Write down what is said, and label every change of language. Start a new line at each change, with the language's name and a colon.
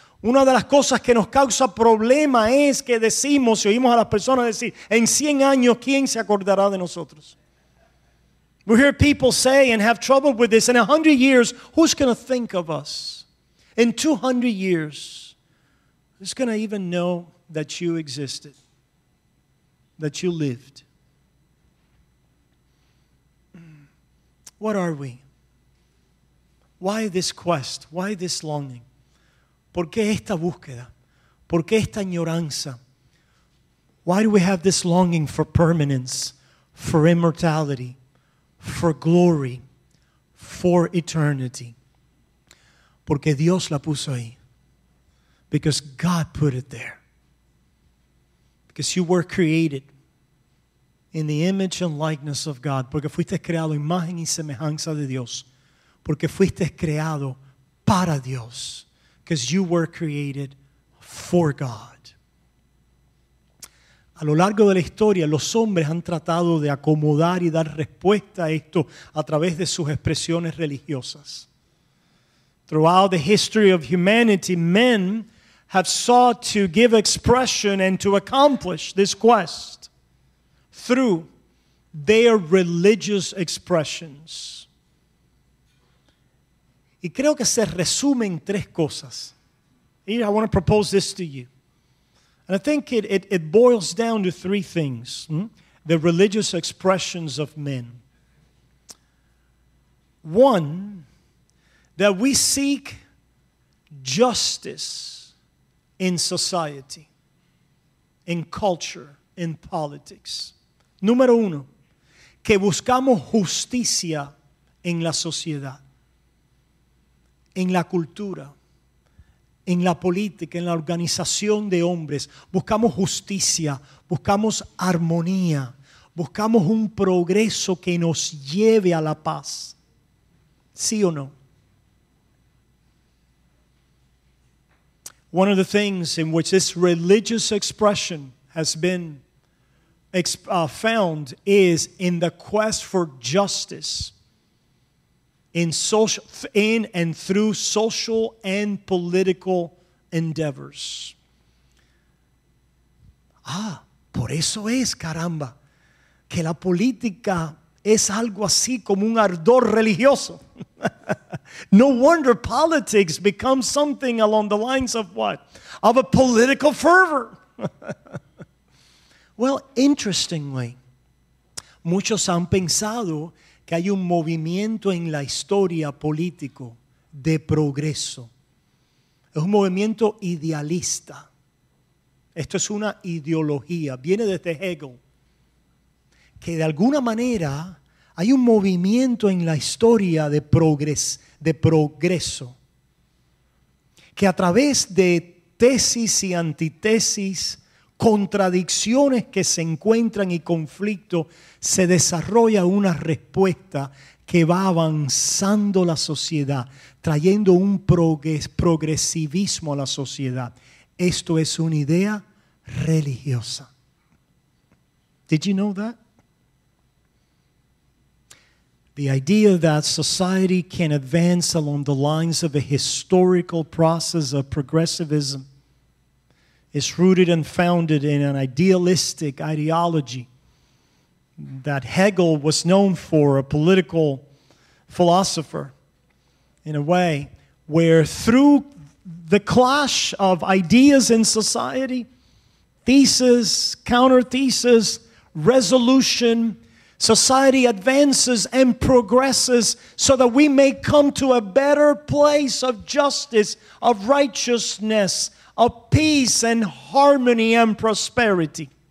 Spanish: Una de las cosas que nos causa problema es que decimos, y oímos a las personas decir, en 100 años, ¿quién se acordará de nosotros?
English: We hear people say and have trouble with this, in 100 years, who's going to think of us? In 200 years, who's going to even know that you existed, that you lived? What are we? Why this quest? Why this longing?
Spanish: ¿Por qué esta búsqueda? ¿Por qué esta añoranza?
English: Why do we have this longing for permanence, for immortality, for glory, for eternity?
Spanish: Porque Dios la puso ahí.
English: Because God put it there. Because you were created in the image and likeness of God.
Spanish: Porque fuiste creado imagen y semejanza de Dios. Porque fuiste creado para Dios.
English: Because you were created for God.
Spanish: A lo largo de la historia, los hombres han tratado de acomodar y dar respuesta a esto a través de sus expresiones religiosas.
English: Throughout the history of humanity, men have sought to give expression and to accomplish this quest through their religious expressions.
Spanish: Y creo que se resume en tres cosas.
English: Here, I want to propose this to you. And I think it boils down to three things. The religious expressions of men. One, that we seek justice in society, in culture, in politics.
Spanish: Número uno, que buscamos justicia en la sociedad, en la cultura, en la política, en la organización de hombres. Buscamos justicia, buscamos armonía, buscamos un progreso que nos lleve a la paz. ¿Sí o no?
English: One of the things in which this religious expression has been found is in the quest for justice in social, in and through social and political endeavors.
Spanish: Ah, por eso es, caramba, que la política es algo así como un ardor religioso.
English: No wonder politics becomes something along the lines of what? Of a political fervor. Well, interestingly,
Spanish: muchos han pensado que hay un movimiento en la historia político de progreso. Es un movimiento idealista. Esto es una ideología. Viene desde Hegel. Que de alguna manera hay un movimiento en la historia de progreso. Que a través de tesis y antitesis, contradicciones que se encuentran y conflicto, se desarrolla una respuesta que va avanzando la sociedad, trayendo un progresivismo a la sociedad. Esto es una idea religiosa.
English: Did you know that? The idea that society can advance along the lines of a historical process of progressivism is rooted and founded in an idealistic ideology that Hegel was known for, a political philosopher, in a way, where through the clash of ideas in society, thesis, counter-thesis, resolution, society advances and progresses so that we may come to a better place of justice, of righteousness, of peace and harmony and prosperity.